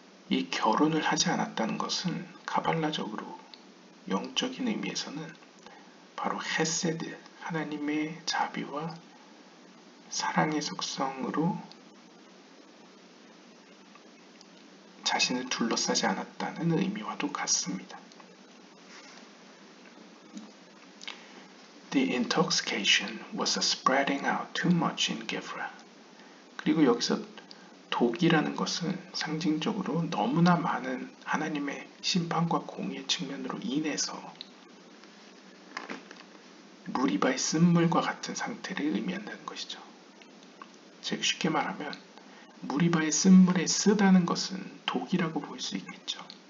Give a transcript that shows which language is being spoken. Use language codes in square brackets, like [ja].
[ko] 이 결혼을 하지 않았다는 것은 카발라적으로 영적인 의미에서는 바로 헤세드, 하나님의 자비와 사랑의 속성으로 자신을 둘러싸지 않았다는 의미와도 같습니다. [en] The intoxication was a spreading out too much in Gevra. [ko] 그리고 여기서 독이라는 것은 상징적으로 너무나 많은 하나님의 심판과 공의의 측면으로 인해서 무리바의 쓴물과 같은 상태를 의미한다는 것이죠. 즉 쉽게 말하면 무리바의 쓴물에 쓰다는 것은 독이라고 볼 수 있겠죠.